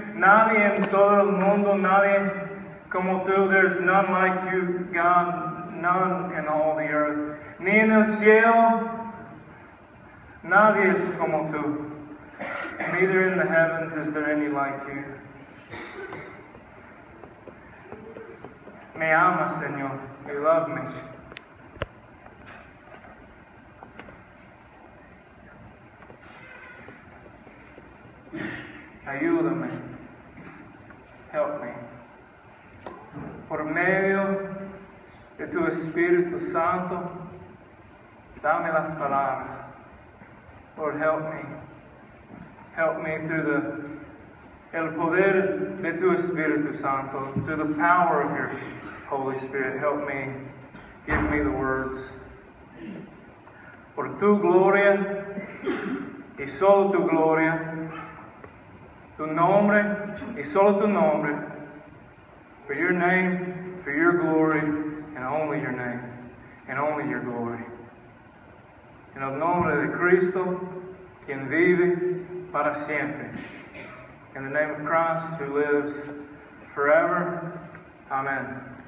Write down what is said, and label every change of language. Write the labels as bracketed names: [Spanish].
[Spanish] Nadie en todo el mundo, nadie como tú. [English] There's none like you, God. None in all the earth. [Spanish] Ni en el cielo, nadie es como tú. [English] Neither in the heavens is there any like you. [Spanish] Me ama, Señor. [English] You love me. [Spanish] Ayúdame. [English] Help me. [Spanish] Por medio de tu Espíritu Santo, dame las palabras. [English] Lord, help me. Help me through the [Spanish] el poder de tu Espíritu Santo, [English] through the power of your Holy Spirit, help me, give me the words. [Spanish] Por tu gloria, y solo tu gloria, tu nombre, y solo tu nombre, [English] for your name, for your glory, [Spanish] and only your name, and only your glory. En el nombre de Cristo, quien vive para siempre. [English] In the name of Christ, who lives forever, amen.